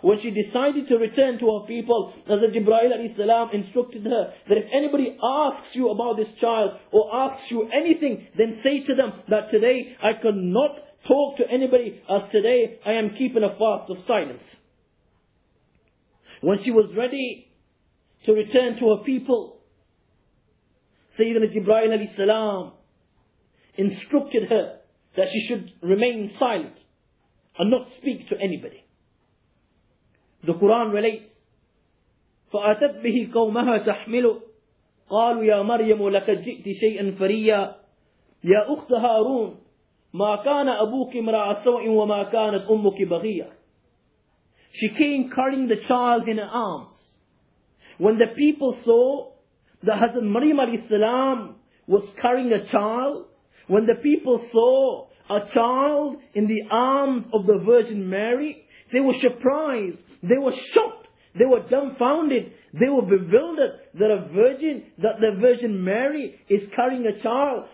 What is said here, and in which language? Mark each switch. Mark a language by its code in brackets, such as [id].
[en] When she decided to return to her people, Hazrat Jibreel alayhi salam instructed her that if anybody asks you about this child or asks you anything, then say to them that today I cannot talk to anybody, as today I am keeping a fast of silence. When she was ready to return to her people, Sayyidina Jibreel alayhi salam instructed her that she should remain silent and not speak to anybody. The Quran relates, [ar] فَأَتَتْ بِهِ قَوْمَهَا تَحْمِلُ قَالُوا يَا مَرْيَمُ لَكَ جِئْتِ شَيْئًا فَرِيًّا يَا أُخْتَ هَارُونَ مَا كَانَ أَبُوكِ مْرَعَ سَوْءٍ وَمَا كَانَتْ أُمُّكِ بَغِيًّا. [en] She came carrying the child in her arms. When the people saw that Hazrat Maryam alayhi salam was carrying a child, when the people saw a child in the arms of the Virgin Mary, they were surprised, they were shocked, they were dumbfounded, they were bewildered that a virgin, that the Virgin Mary is carrying a child.